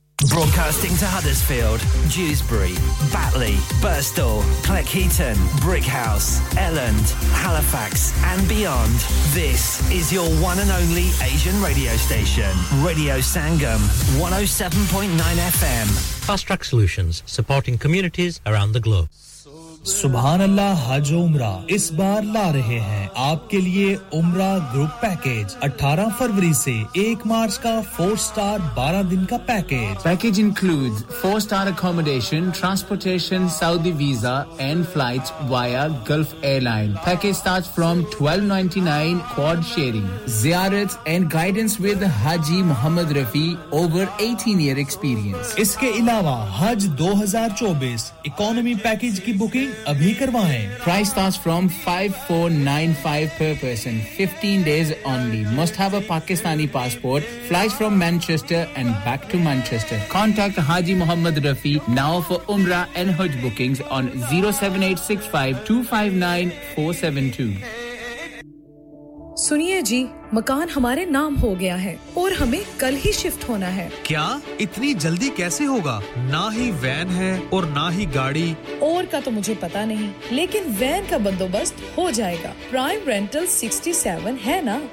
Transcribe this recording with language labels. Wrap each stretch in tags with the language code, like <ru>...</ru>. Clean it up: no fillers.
<en>Broadcasting to Huddersfield, Dewsbury, Batley, Birstall, Cleckheaton, Brickhouse, Elland, Halifax and beyond. This is your one and only Asian radio station. Radio Sangam, 107.9 FM. Fast Track Solutions, supporting communities around the globe.</en> <hi>सुभानअल्लाह हज उम्रा इस बार ला रहे हैं आपके लिए उम्रा group package 18 फरवरी से 1 मार्च का 4 स्टार 12 दिन का package</hi> <en>package includes 4 star accommodation transportation Saudi visa and flights via Gulf airline package starts from 1299 quad sharing ziyarat and guidance with Haji Mohammad Rafi over 18 year experience</en> <hi>इसके अलावा हज 2024 इकॉनमी पैकेज की बुकिंग अभी करवाएं</hi> <en>price starts from 5495 per person 15 days only must have a pakistani passport flies from manchester and back to manchester contact haji mohammad rafi now for umrah and hajj bookings on 07865259472</en> <hi>सुनिए जी मकान हमारे नाम हो गया है और हमें कल ही शिफ्ट होना है क्या इतनी जल्दी कैसे होगा ना ही वैन है और ना ही गाड़ी और का तो मुझे पता नहीं लेकिन वैन का बंदोबस्त हो जाएगा प्राइम रेंटल 67 है ना</hi>